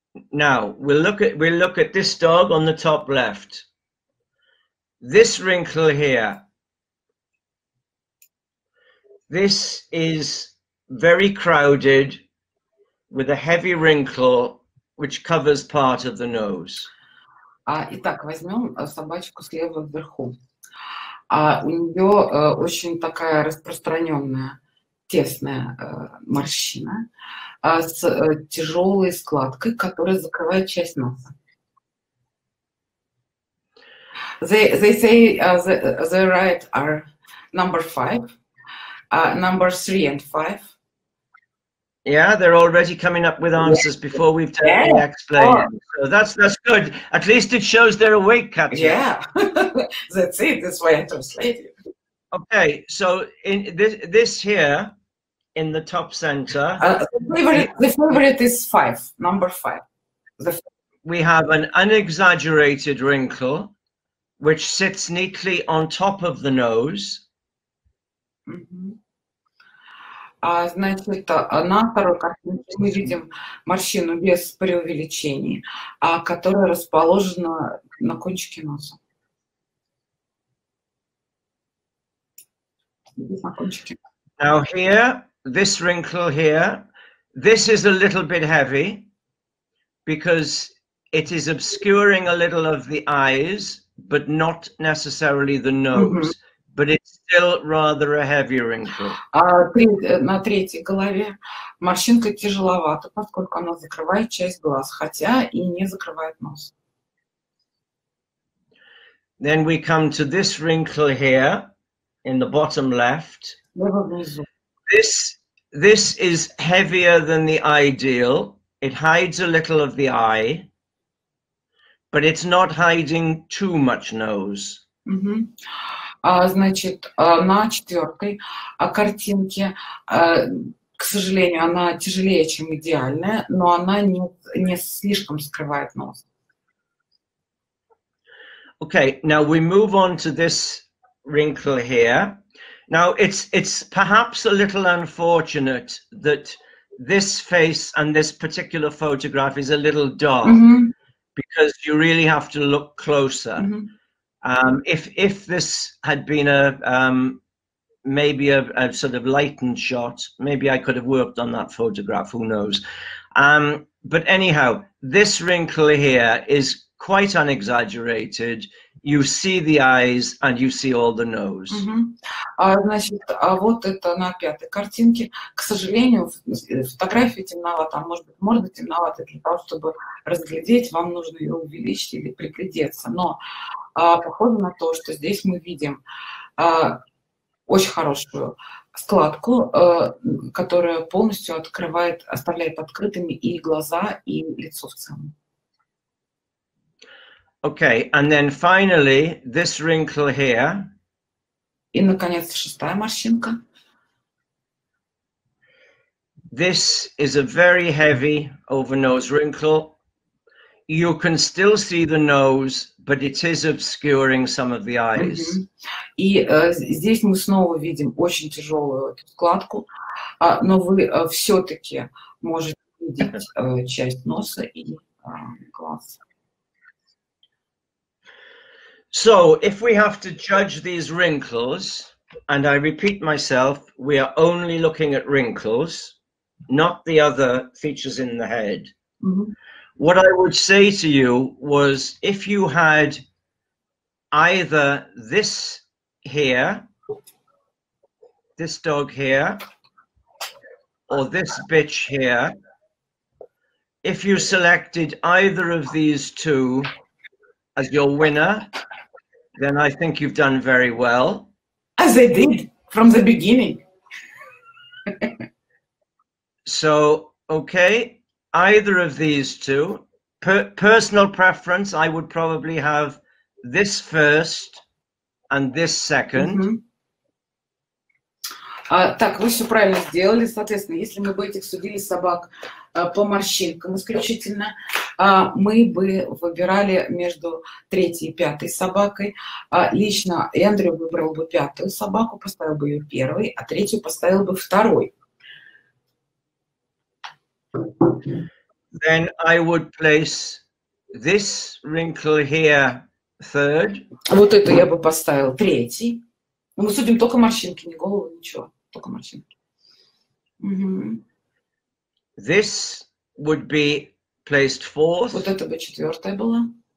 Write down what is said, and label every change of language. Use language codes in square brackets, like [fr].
[en] Now, we'll look at this dog on the top left. This wrinkle here. This is very crowded. With a heavy wrinkle, which covers part of the nose. [ru] Итак, возьмем собачку слева вверху. У нее очень такая распространенная тесная морщина с тяжелой складкой, которая закрывает часть носа. [en] They say the right are number five, number three and five. Yeah, they're already coming up with answers before we've done the explain. So that's good. At least it shows they're awake, Katya. Yeah, that's it. That's why I translated. Okay, so in this here, in the top center. The favorite is five, number five. We have an unexaggerated wrinkle, which sits neatly on top of the nose. Mm-hmm. [ru] Значит, на второй картинке мы видим морщину без преувеличений, которая расположена на кончике носа. [en] Now here, this wrinkle here, this is a little bit heavy, because it is obscuring a little of the eyes, but not necessarily the nose. Mm-hmm. But it's still rather a heavy wrinkle. [ru] На третьей голове морщинка тяжеловата, поскольку она закрывает часть глаз, хотя и не закрывает нос. [en] Then we come to this wrinkle here in the bottom left. This is heavier than the ideal. It hides a little of the eye, but it's not hiding too much nose. Mm-hmm. [ru] Значит, на четвертой картинке, к сожалению, она тяжелее, чем идеальная, но она не слишком скрывает нос. [en] Okay, now we move on to this wrinkle here. Now it's perhaps a little unfortunate that this face and this particular photograph is a little dark, mm-hmm. because you really have to look closer. Mm-hmm. If this had been a sort of lightened shot, maybe I could have worked on that photograph, who knows. But anyhow, this wrinkle here is quite unexaggerated. You see the eyes and you see all the nose. Mm-hmm. [ru] Вот это на пятой картинке. К сожалению, фотография темновата, может быть, морда темновата. Для того, чтобы разглядеть, вам нужно ее увеличить или приглядеться. Но похоже на то, что здесь мы видим очень хорошую складку, которая полностью открывает, оставляет открытыми и глаза, и лицо в целом. [en] Okay, and then finally, this wrinkle here. [ru] И, наконец, шестая морщинка. [en] This is a very heavy over-nose wrinkle. You can still see the nose, but it is obscuring some of the eyes. Mm-hmm. [ru] И здесь мы снова видим очень тяжелую складку, но вы все-таки можете видеть часть носа и глаз. [en] So, if we have to judge these wrinkles, and I repeat myself, we are only looking at wrinkles, not the other features in the head. Mm-hmm. What I would say to you was, if you had either this here, this dog here, or this bitch here, if you selected either of these two as your winner, then I think you've done very well. As I did from the beginning. So, okay, either of these two. Personal preference, I would probably have this first and this second. [ru] Так, вы все правильно сделали. Соответственно, если мы бы этих судили собак по морщинкам исключительно, мы бы выбирали между третьей и пятой собакой. Лично Эндрю выбрал бы пятую собаку, поставил бы ее первой, а третью поставил бы второй. [en] Then I would place this wrinkle here third. [ru] Вот эту я бы поставил третий. Но мы судим только морщинки, не голову, ничего. Только морщинки. [en] This would be placed fourth. [ru] Вот это бы четвертая была.